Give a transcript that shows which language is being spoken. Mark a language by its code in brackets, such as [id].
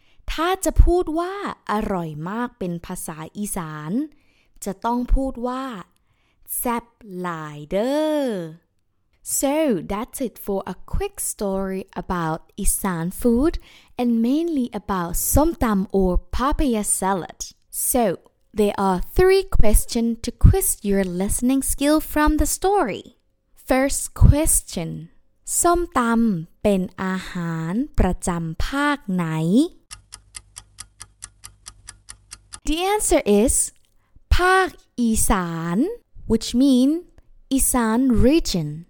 [th] ถ้าจะพูดว่าอร่อยมากเป็นภาษาอีสานจะต้องพูดว่าแซ่บหลายเด้อ [en] So that's it for a quick story about Isan food and mainly about som tam or papaya salad. So there are three questions to quiz your listening skill from the story. First question: som tam [th] เป็นอาหารประจำภาคไหน [en] The answer is ภาคอีสาน which mean อีสาน region.